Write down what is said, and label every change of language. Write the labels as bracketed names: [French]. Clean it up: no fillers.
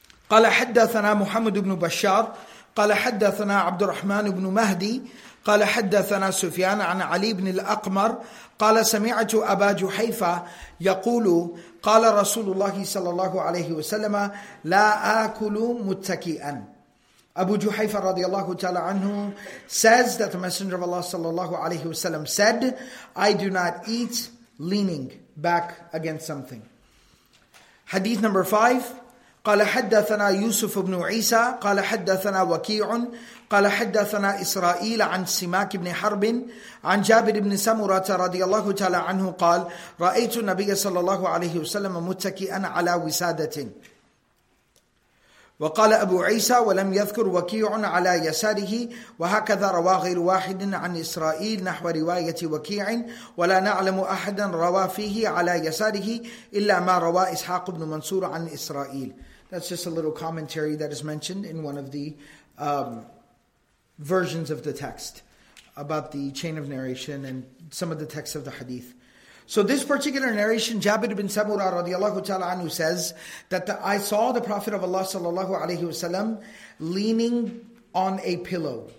[Arabic] قال حدثنا محمد بن بشار قال حدثنا عبد الرحمن بن مهدي قال حدثنا سفيان عن علي بن الأقمر قال سمعت أبا جحيفة يقول قال رسول الله صلى الله عليه وسلم لا آكل متكئا. [English] Abu Juhayfa radiallahu ta'ala anhu says that the Messenger of Allah sallallahu alayhi wa sallam said, I do not eat leaning back against something. Hadith number 5. [Arabic] قال حدثنا يوسف بن عيسى قال حدثنا وكيع قال حدثنا إسرائيل عن سماك بن حرب عن جابر بن سمرة رضيالله تعالى عنه قال رأيت النبي صلى الله عليه وسلم متكئا على وسادة. وقال أبو عيسى ولم يذكر وكيع على يساره وهكذا روى غير واحد عن إسرائيل نحو رواية وكيع ولا نعلم أحدا روى فيه على يساره إلا ما روى إسحاق بن منصور عن إسرائيل. [English] That's just a little commentary that is mentioned in one of the versions of the text about the chain of narration and some of the texts of the hadith. So this particular narration, Jabir bin Samura radiallahu ta'ala anhu says that I saw the Prophet of Allah sallallahu alayhi wa sallam leaning on a pillow.